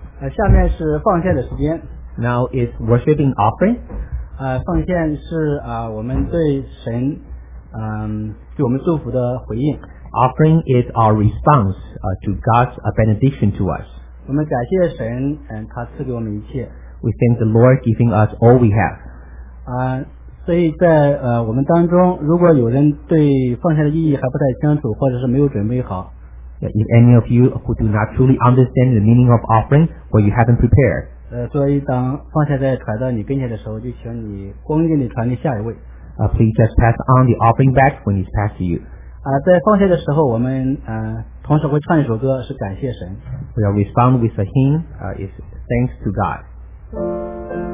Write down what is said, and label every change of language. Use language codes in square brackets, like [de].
[zh] 下面是奉献的时间。 [en] Now is worshiping offering. [zh] 奉献是我们对神对我们祝福的回应。 [en] Offering is our response to God's benediction to us. [zh] 我们感谢神，他赐给我们一切。 [en] We thank the Lord giving us all we have. [zh] 所以在我们当中，如果有人对奉献的意义还不太清楚，或者是没有准备好。 [en] If any of you who do not truly understand the meaning of offering, or you haven't prepared. [zh] 所以当奉献在传到你跟前的时候，就请你恭敬地传给下一位。 [en] Please just pass on the offering back when it's passed to you. [zh] 在奉献的时候，我们同时会唱一首歌，是感谢神。 [en] We are respond with a hymn, is thanks to God.